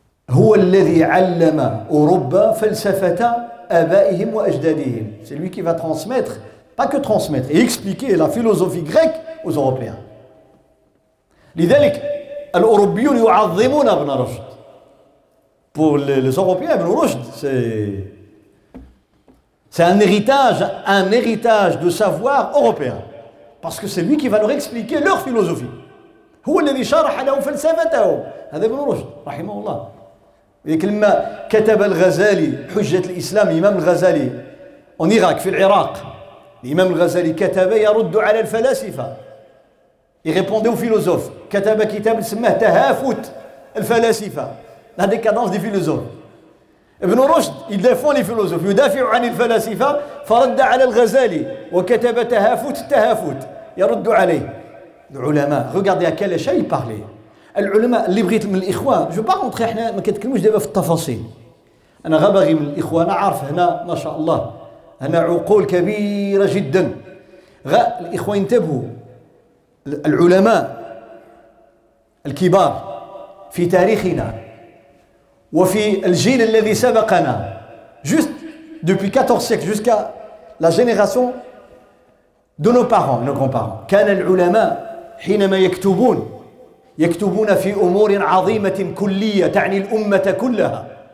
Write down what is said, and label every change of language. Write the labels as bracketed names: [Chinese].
[Arabic] هو الذي علم أوروبا فلسفة أبائهم وأجدادهم [French] c'est lui qui va transmettre pas que transmettre et expliquer la philosophie grecque aux Européens [Arabic] لذلك الأوروبيون يعظمون ابن رشد [French] Pour les Européens, Ibn Rushd, c'est un héritage de savoir européen. Parce que c'est lui qui va leur expliquer leur philosophie. [Arabic] هو الذي شرح لهم فلسفته. هذا ابن رشد رحمه الله. كلمة كتب الغزالي حجة الإسلام إمام الغزالي en Irak, في العراق. الإمام الغزالي كتب يرد على الفلاسفة. [French] Il répondait aux philosophes. [Arabic] كتب كتاب سماه تهافت الفلاسفة. [French] La décadence des philosophes. Ibn Rushd, il défend les philosophes. [Arabic] يدافع عن الفلاسفة فرد على الغزالي وكتب تهافت تهافت يرد عليه. [French] العلماء, regardez à quel échelle il parlait. [Arabic] العلماء, اللي بغيت من الإخوان, [French] je ne vais pas rentrer, [Arabic] احنا ما كنتكلموش دابا في التفاصيل. أنا غبغي من الإخوان, أنا عارف هنا, ما شاء الله, هنا عقول كبيرة جدا. الإخوان انتبهوا. العلماء الكبار في تاريخنا وفي الجيل الذي سبقنا جست [French] depuis 14 siècles jusqu'à la génération de nos parents nos grands-parents [Arabic] كان العلماء حينما يكتبون في امور عظيمه كليه تعني الامه كلها